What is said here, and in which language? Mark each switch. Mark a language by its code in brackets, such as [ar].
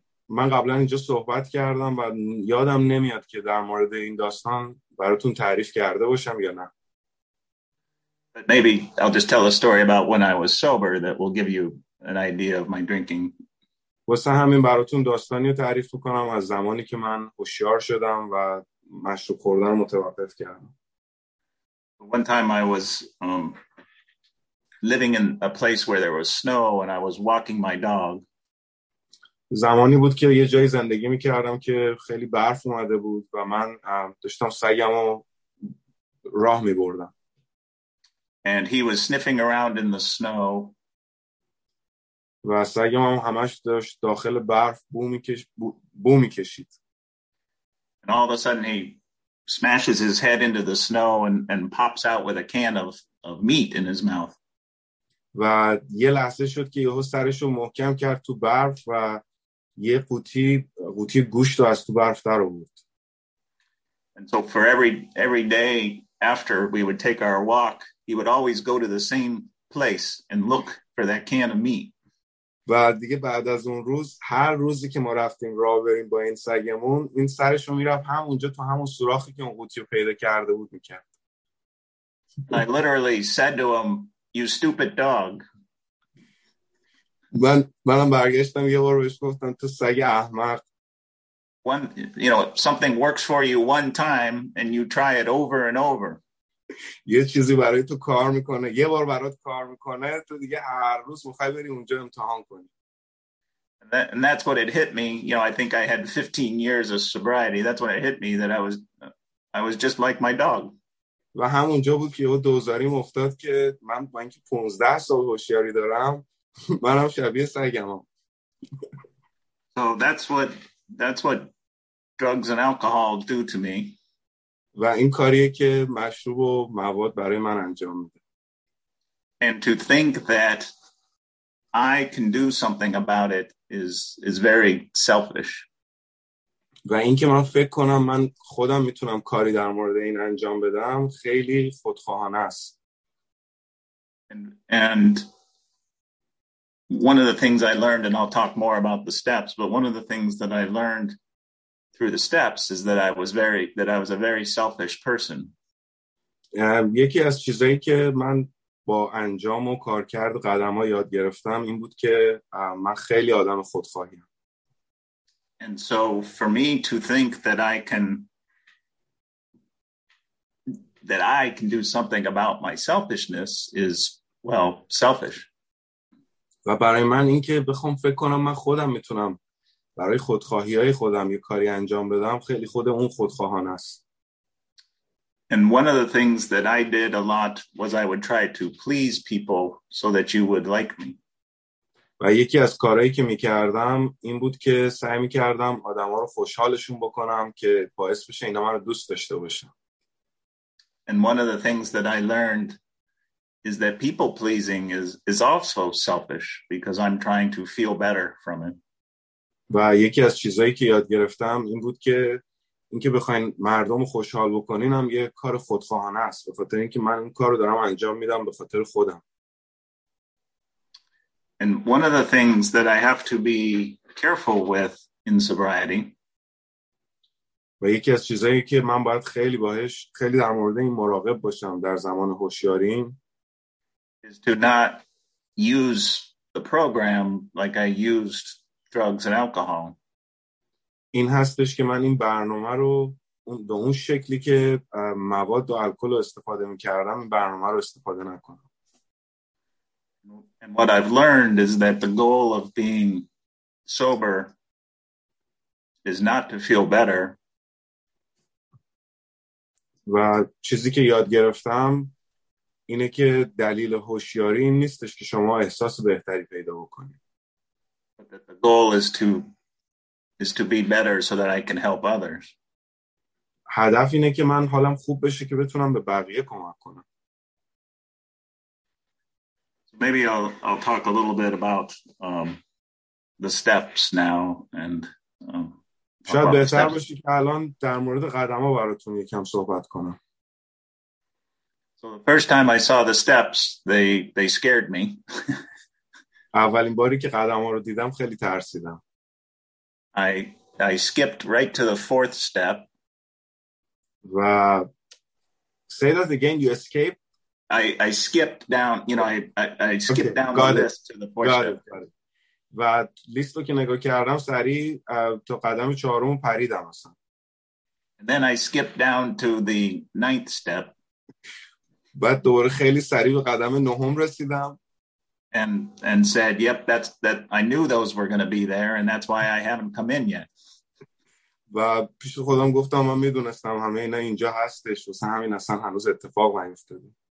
[fa] من قبلا اینجا صحبت کردم و یادم نمیاد که در مورد این داستان براتون تعریف کرده باشم یا نه. [en] But maybe I'll just tell a story about when I was sober that will give you an idea of my drinking. [fa] واسه همین براتون داستانی رو تعریف کنم از زمانی که من هوشیار شدم و مشروب خوردن متوقف کردم. [en] One time I was living in a place where there was snow and I was walking my dog. [fa] زمانی بود که یه جایی زندگی می‌کردم که خیلی برف اومده بود و من داشتم سگمو راه می‌بردم. [en] And he was sniffing around in the snow. [fa] و سگم هم همش داشت داخل برف بو می‌کشید. [en] And all of a sudden he smashes his head into the snow and pops out with a can of meat in his mouth. [fa] و یه لحظه شد که یهو سرشو محکم کرد تو برف و یه قوطی گوشت رو از تو برف در آورد. [en] And so for every day after we would take our walk, he would always go to the same place and look for that can of meat. [fa] و دیگه بعد از اون روز هر روزی که ما رفتیم راه بریم با این سگمون، این سرش رو میرفت همونجا تو همون سوراخی که اون قوطی رو پیدا کرده بود میکرد. [en] I literally said to him, "You stupid dog." [fa] منم برگشتم یه بار بهش گفتم تو سگ احمق. [en] One, you know, something works for you one time and you try it over and over. [fa] یه چیزی برای تو کار میکنه، یه بار برات کار میکنه، تو دیگه هر روز میخوای بری اونجا امتحان کنی. [en] And that's what it hit me. You know, I think I had 15 years of sobriety. That's when it hit me that I was just like my dog. [fa] و همونجا بود که یه دوزاریم افتاد که من با اینکه 15 سال هوشیاری دارم منم شبیه سگم هم. [en] So that's what drugs and alcohol do to me. [fa] و این کاریه که مشروب و مواد برای من انجام میده. [en] And to think that I can do something about it is very selfish. [fa] و این که من فکر کنم من خودم میتونم کاری در مورد این انجام بدم خیلی خودخواهانه است. [en] And one of the things I learned, and I'll talk more about the steps, but one of the things that I learned through the steps is that I was a very selfish person. [fa] یکی از چیزایی که من با انجام و کار کرد قدم ها یاد گرفتم این بود که من خیلی آدم خودخواهیم. [en] And so for me to think that I can do something about my selfishness is, well, selfish. [fa] و برای من این که بخوام فکر کنم من خودم میتونم برای خودخواهی‌های خودم یک کاری انجام بدم خیلی خود اون خودخواهانه است. [en] And one of the things that I did a lot was I would try to please people so that you would like me. [fa] و یکی از کارهایی که می‌کردم این بود که سعی می‌کردم آدم‌ها رو خوشحالشون بکنم که باعث بشه اینا منو دوست داشته باشن. [en] And one of the things that I learned is that people pleasing is also selfish because I'm trying to feel better from it. [fa] و یکی از چیزایی که یاد گرفتم این بود که اینکه بخواین مردم رو خوشحال بکنین هم یه کار خودخواهانه است به خاطر اینکه من این کارو دارم انجام میدم به خاطر خودم. [en] And one of the things that I have to be careful with in sobriety. [fa] و یکی از چیزایی که من باید خیلی باهش خیلی در مورد این مراقب باشم در زمان هوشیاری [en] is to not use the program like I used drugs and alcohol. [fa] این هستش که من این برنامه رو به اون شکلی که مواد و الکل رو استفاده می‌کردم این برنامه رو استفاده نکنم. [en] And what I've learned is that the goal of being sober is not to feel better. [fa] و چیزی که یاد گرفتم اینه که دلیل هوشیاری این نیستش که شما احساس بهتری پیدا بکنید. [en] But that the goal is to be better so that I can help others. [fa] هدف اینه که من حالم خوب بشه که بتونم به بقیه کمک کنم. [en] Maybe I'll talk a little bit about the steps now and [fa] شاید بهتر باشه که الان در مورد قدم ها براتون یکم صحبت کنم. [en] So the first time I saw the steps, they scared me. [fa] اولین باری که قدم ها رو دیدم خیلی ترسیدم. [en] I skipped right to the fourth step. و say that again, you escaped. I skipped down, you know, I skipped okay, down the list to the fourth step. And list [fa] رو که نگاه کردم سریع تو قدم چهارم پریدم اصلا. [en] And then I skipped down to the ninth step. [fa] بعد دوباره خیلی سریع به قدم نهم رسیدم. [en] And said, yep, that's I knew those were going to be there and that's why I haven't come in yet. [fa] و پیش خودم گفتم من میدونستم همه اینا اینجا هستش و همین اصلا هنوز اتفاق نیفتاده.